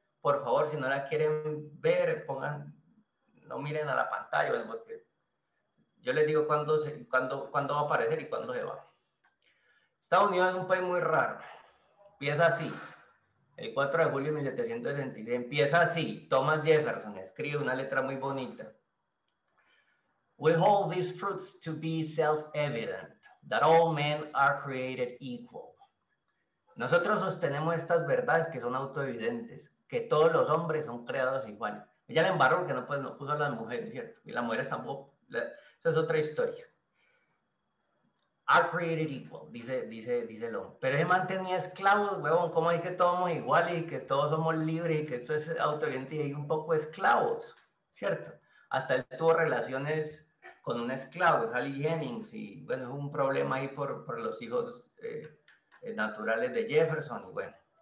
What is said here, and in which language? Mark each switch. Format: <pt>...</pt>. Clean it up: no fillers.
<es>Por favor, si no la quieren ver, pongan, no miren a la pantalla, porque yo les digo cuándo va a aparecer y cuándo se va. Estados Unidos es un país muy raro. Empieza así. El 4 de julio de 1776. Empieza así. Thomas Jefferson escribe una letra muy bonita.</es> <en>We hold these truths to be self-evident, that all men are created equal.</en> <es>Nosotros sostenemos estas verdades que son autoevidentes, que todos los hombres son creados igual. Ya le embarró porque no puso a las mujeres, ¿cierto? Y las mujeres tampoco. Esa es otra historia.</es> <en>Are created equal,</en> <es>dice</es> <en>Long.</en> <es>Pero se mantenía esclavo, huevón, ¿cómo es que todos somos iguales y que todos somos libres y que esto es autoevidente y un poco esclavos, ¿cierto? Hasta él tuvo relaciones con un esclavo, Sally Jennings, y bueno, es un problema ahí por los hijos naturales de Jefferson, y bueno.</es>